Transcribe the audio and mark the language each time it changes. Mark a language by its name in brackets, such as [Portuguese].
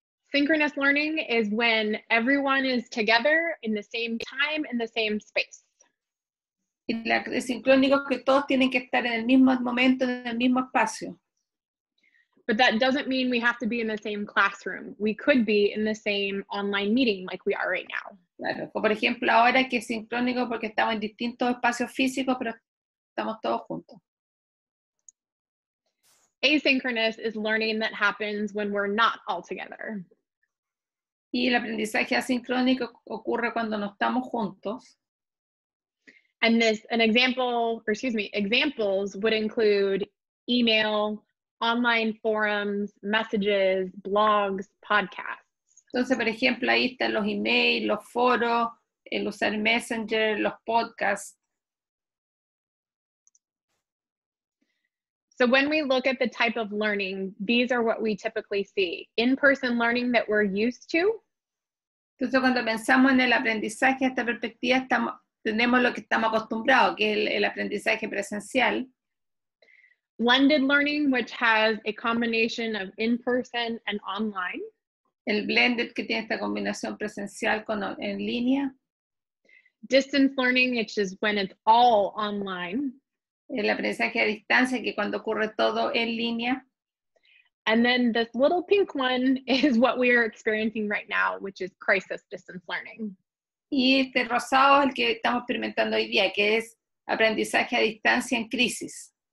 [English] Synchronous learning is when everyone is together in the same time in the same space. [Spanish] Y la sincrónica es que todos tienen que estar en el mismo momento, en el mismo espacio. [English] But that doesn't mean we have to be in the same classroom. We could be in the same online meeting like we are right now. [Spanish] Claro. O por ejemplo, ahora que es sincrónico porque estamos en distintos espacios físicos, pero estamos todos juntos. [English] Asynchronous is learning that happens when we're not all together. [Spanish] Y el aprendizaje asincrónico ocurre cuando no estamos juntos. [English] And this, examples would include email, online forums, messages, blogs, podcasts. [Spanish] Entonces, por ejemplo, ahí están los emails, los foros, el usar Messenger, los podcasts. [English] So when we look at the type of learning, these are what we typically see. In-person learning that we're used to. [Spanish] Entonces, cuando pensamos en el aprendizaje, esta perspectiva, tenemos lo que estamos acostumbrados, que es el aprendizaje presencial. [English] Blended learning, which has a combination of in-person and online. [Spanish] El blended, que tiene esta combinación presencial con en línea. [English] Distance learning, which is when it's all online. [Spanish] El aprendizaje a distancia, que cuando ocurre todo en línea. [English] And then this little pink one is what we are experiencing right now, which is crisis distance learning. [Spanish] Y este rosado es el que estamos experimentando hoy día, que es aprendizaje a distancia en crisis.